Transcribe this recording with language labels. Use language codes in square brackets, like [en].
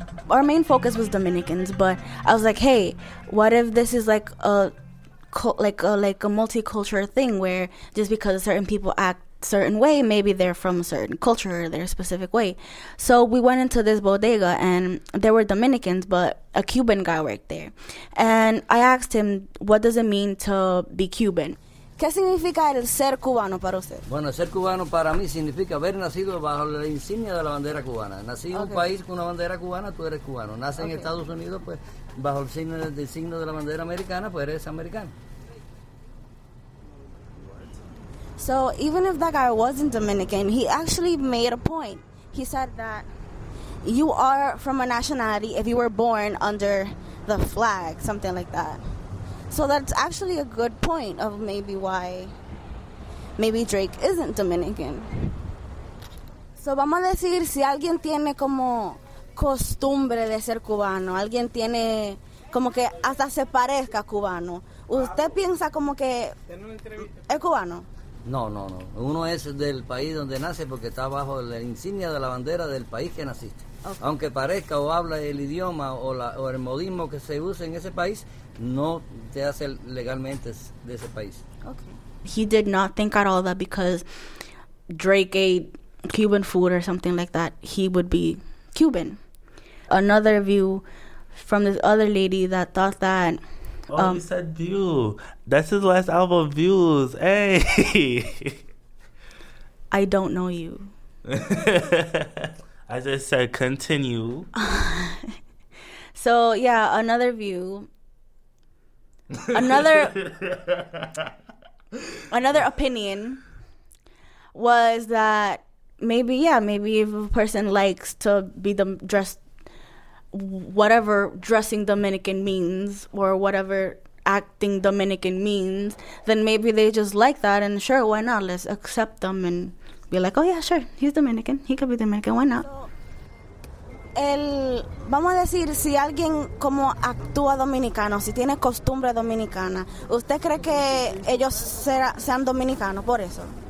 [en] Our main focus was Dominicans, but I was like, hey, what if this is like a multicultural thing where just because certain people act a certain way, maybe they're from a certain culture or they're a specific way. So we went into this bodega and there were Dominicans, but a Cuban guy worked there. And I asked him, what does it mean to be Cuban? [es] ¿Qué significa el ser cubano para usted? Bueno, ser cubano para mí significa haber nacido bajo la insignia de la bandera cubana. Nací en un país con una bandera cubana, tú eres cubano. Nace en Estados Unidos, pues, bajo el signo de la bandera americana, pues eres americano. [en] So, even if that guy wasn't Dominican, he actually made a point. He said that you are from a nationality if you were born under the flag, something like that. So that's actually a good point of maybe why maybe Drake isn't Dominican. [es] So vamos a decir, si alguien tiene como costumbre de ser cubano, alguien tiene como que hasta se parezca cubano, ¿usted piensa como que es cubano? No. Uno es del país donde nace porque está bajo la insignia de la bandera del país que naciste. Okay. Aunque parezca o habla el idioma o el modismo que se usa en ese país, no te hace legalmente de ese país. Okay. [en] He did not think at all that because Drake ate Cuban food or something like that, he would be Cuban. Another view from this other lady that thought that... Oh, you said view. That's his last album, Views. Hey! I don't know you. I just said continue. So, yeah, another view... another opinion was that maybe if a person likes to be dressed whatever dressing Dominican means or whatever acting Dominican means, then maybe they just like that, and sure, why not? Let's accept them and be like, oh yeah, sure, he's Dominican, he could be Dominican, why not? [es] El, vamos a decir, si alguien como actúa dominicano, si tiene costumbre dominicana, ¿usted cree que ellos sean dominicanos por eso?